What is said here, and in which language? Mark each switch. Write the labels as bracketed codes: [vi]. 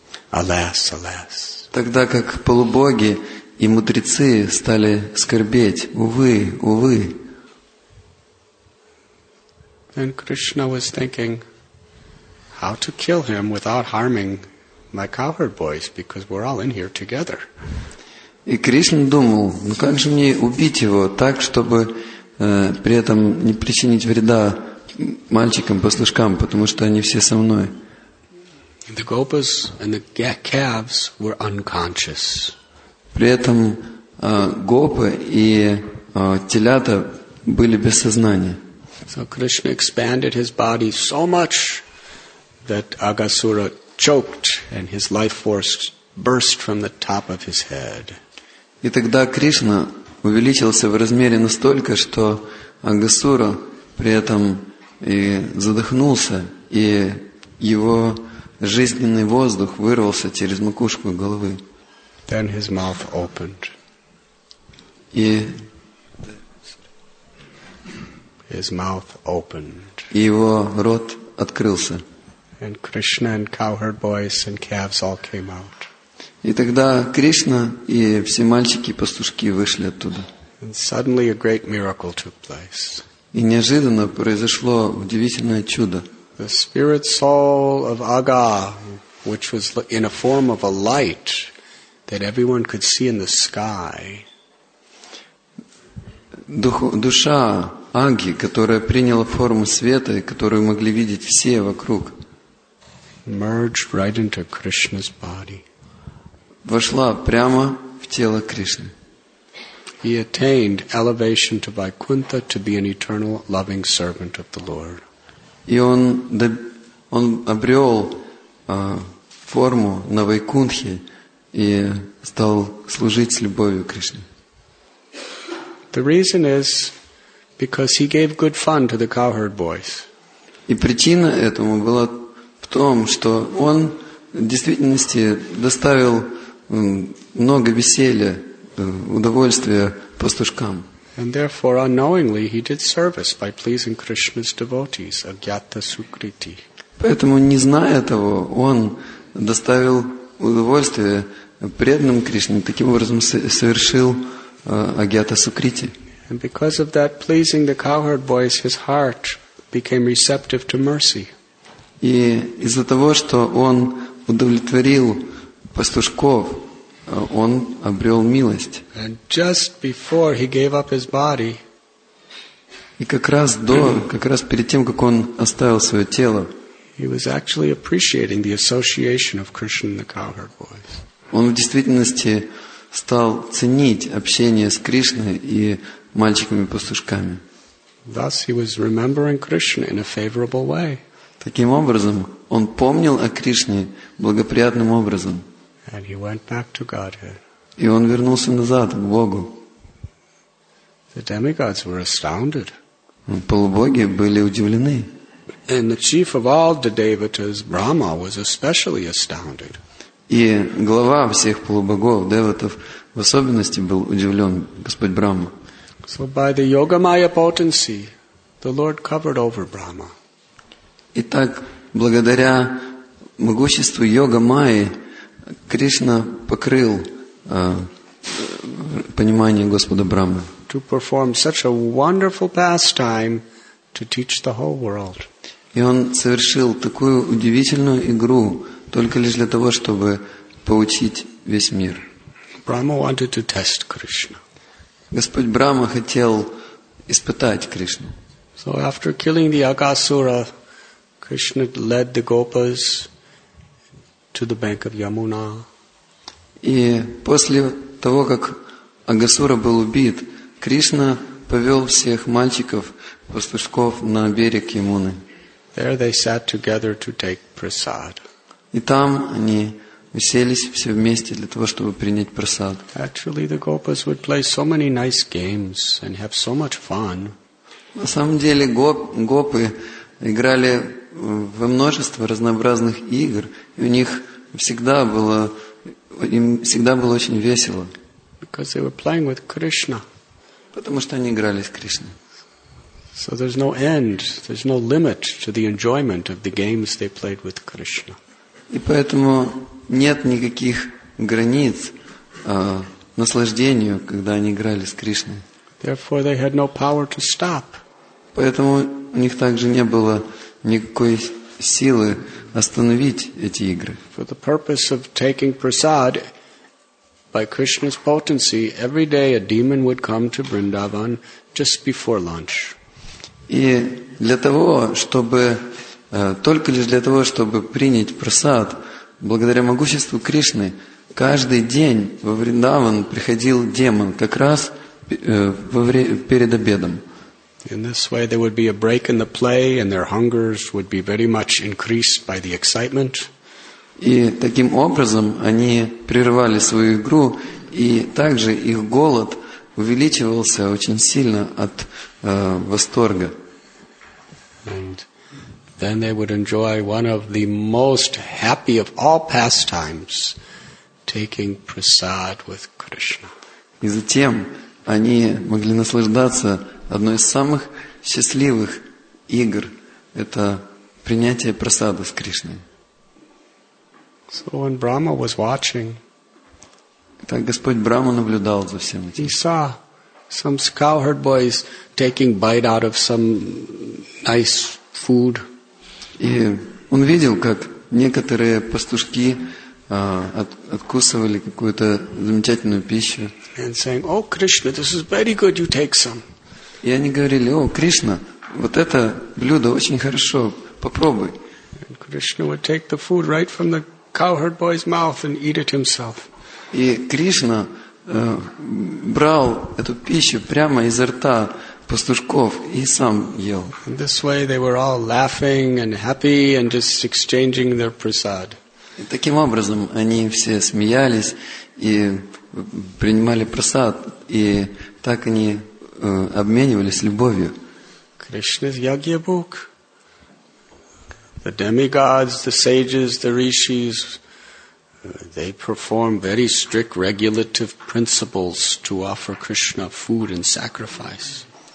[en] Alas, alas. [ru] Тогда как полубоги и мудрецы стали скорбеть. Увы, увы. [en] And Krishna was thinking how to kill him without harming my cowherd boys, because we're all in here together. [ru] И Кришна думал, ну как же мне убить его так, чтобы при этом не причинить вреда мальчикам-пастушкам, потому что они все со мной. [en] The gopas and the calves were unconscious. [ru] При этом гопы и телята были без сознания. [en] So Krishna expanded his body so much that Agasura choked and his life force burst from the top of his head. [ru] И тогда Кришна увеличился в размере настолько, что Агасура при этом и задохнулся, и его жизненный воздух вырвался через макушку головы. [en] Then his mouth opened. [ru] И [en] his mouth opened. [ru] И его рот открылся. [en] And Krishna and cowherd boys and calves all came out. [ru] И тогда Кришна и все мальчики-пастушки вышли оттуда. [en] And suddenly a great miracle took place. [ru] И неожиданно произошло удивительное чудо. [en] The spirit soul of Aga, which was in a form of a light that everyone could see in the sky. [ru] Душа Аги, которая приняла форму света и которую могли видеть все вокруг, [en] merged right into Krishna's body. [ru] Вошла прямо в тело Кришны. [en] He attained elevation to Vaikuntha to be an eternal loving servant of the Lord. [ru] И он обрел форму на Вайкунтхе и стал служить с любовью Кришне. [en] The reason is because he gave good fun to the cowherd boys. [ru] И причина этому была в том, что он в действительности доставил много веселья, удовольствия пастушкам. [en] And therefore, unknowingly, he did service by pleasing Krishna's devotees, agyata sukriti. [ru] Поэтому, не зная того, он доставил удовольствие преданным Кришне, таким образом совершил агьята сукрити. [en] And because of that, pleasing the cowherd boys, his heart became receptive to mercy. [ru] И из-за того, что он удовлетворил пастушков, он обрел милость. [en] And just before he gave up his body, [ru] и как раз перед тем, как он оставил свое тело, [en] he was actually appreciating the association of Krishna and the cowherd boys. [ru] Он в действительности стал ценить общение с Кришной и мальчиками-пастушками. [en] Thus he was remembering Krishna in a favorable way. [ru] Таким образом, он помнил о Кришне благоприятным образом. [en] And he went back to Godhead. [ru] И он вернулся назад к Богу. [en] The demigods were astounded. [ru] Полубоги были удивлены. [en] And the chief of all the devatas, Brahma, was especially astounded. [ru] И глава всех полубогов, деватов, в особенности был удивлен Господь Брахма. [en] So by the yogamaya potency, the Lord covered over Brahma. [ru] Итак, благодаря могуществу йога-майи, Кришна покрыл понимание Господа Брахмы. [en] To perform such a wonderful pastime to teach the whole world. [ru] И он совершил такую удивительную игру, только лишь для того, чтобы поучить весь мир. [en] Brahma wanted to test Krishna. [ru] Господь Брахма хотел испытать Кришну. [en] So after killing the Agasura, Krishna led the gopas to the bank of Yamuna. [ru] И после того, как Агасура был убит, Кришна повел всех мальчиков, пастушков на берег Ямуны. [en] There they sat together to take prasad. [ru] И там они уселись все вместе для того, чтобы принять прасад. [en] Actually, the gopas would play so many nice games and have so much fun. [ru] На самом деле гопы играли во множество разнообразных игр, и у них им всегда было очень весело. [en] Because they were playing with Krishna. [ru] Потому что они играли с Кришной. [en] So there's no end, there's no limit to the enjoyment of the games they played with Krishna. [ru] И поэтому нет никаких границ наслаждению, когда они играли с Кришной. [en] Therefore they had no power to stop. [ru] Поэтому у них также не было никакой силы остановить эти игры. [en] For the purpose of taking prasad by Krishna's potency, every day a demon would come to Vrindavan just before lunch. [ru] И для того, чтобы только лишь для того, чтобы принять прасад, благодаря могуществу Кришны, каждый день во Вриндаван приходил демон, как раз перед обедом. [en] In this way there would be a break in the play and their hungers would be very much increased by the excitement. [ru] И таким образом они прерывали свою игру, и также их голод увеличивался очень сильно от восторга. [en] And then they would enjoy one of the most happy of all pastimes, taking prasad with Krishna. [ru] И затем они могли наслаждаться одной из самых счастливых игр – это принятие прасада с Кришной. [en] So when Brahma was watching, [ru] так Господь Брахма наблюдал за всем этим. [en] He saw some cowherd boys taking bite out of some nice food. [ru] И он видел, как некоторые пастушки откусывали какую-то замечательную пищу. [en] And saying, "Oh, Krishna, this is very good. You take some." [ru] И они говорили: «О, Кришна, вот это блюдо очень хорошо, попробуй». [en] And Krishna would take the food right from the cowherd boy's mouth and eat it himself. [ru] И Кришна брал эту пищу прямо изо рта пастушков и сам ел. [en] In this way they were all laughing and happy and just exchanging their prasad. [ru] И таким образом они все смеялись и принимали прасад, и так они обменивались любовью. [en] Krishna's Yajna book. The demigods, the sages, the rishis, they perform very strict regulative principles to offer Krishna food and sacrifice.